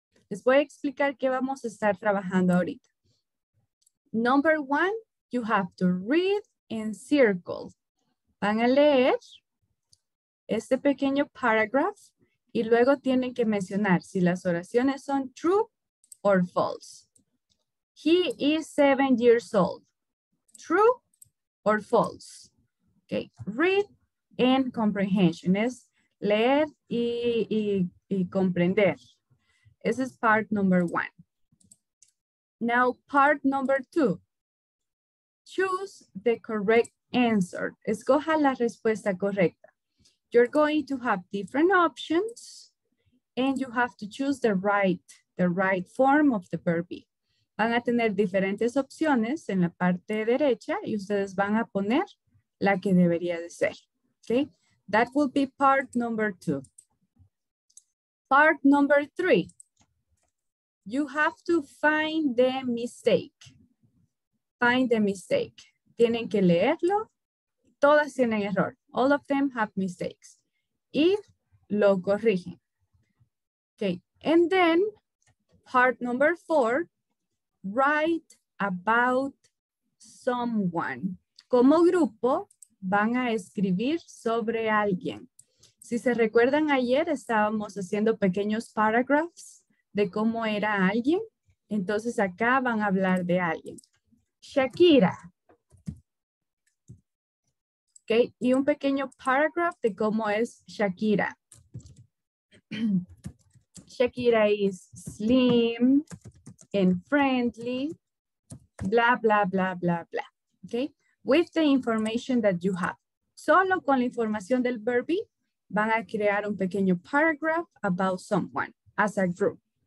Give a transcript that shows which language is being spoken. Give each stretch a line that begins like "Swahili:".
Spanish: Les voy a explicar qué vamos a estar trabajando ahorita.
English: Number one, you have to read in circles.
Spanish: Van a leer este pequeño paragraph y luego tienen que mencionar si las oraciones son
English: true or false. He is 7 years old. True or false? Okay, read and comprehension. Es
Spanish: leer y comprender.
English: This is part number one. Now, part number two. Choose the correct answer.
Spanish: Escoja la respuesta correcta.
English: You're going to have different options and you have to choose the right form of the verb be.
Spanish: Van a tener diferentes opciones en la parte derecha y ustedes van a poner la que debería de ser.
English: Okay? That will be part number two. Part number three. You have to find the mistake. Find the mistake.
Spanish: Tienen que leerlo. Todas tienen error.
English: All of them have mistakes.
Spanish: Y lo corrigen. Okay.
English: And then, part number four. Write about someone.
Spanish: Como grupo, van a escribir sobre alguien. Si se recuerdan, ayer estábamos haciendo pequeños paragraphs de cómo era alguien. Entonces, acá van a hablar de alguien. Shakira. Okay, y un pequeño paragraph de cómo es Shakira.
English: Shakira is slim and friendly, blah, blah, blah, blah, blah. Okay, with the information that you have.
Spanish: Solo con la información del verb be, van a crear un pequeño paragraph
English: about someone as a group.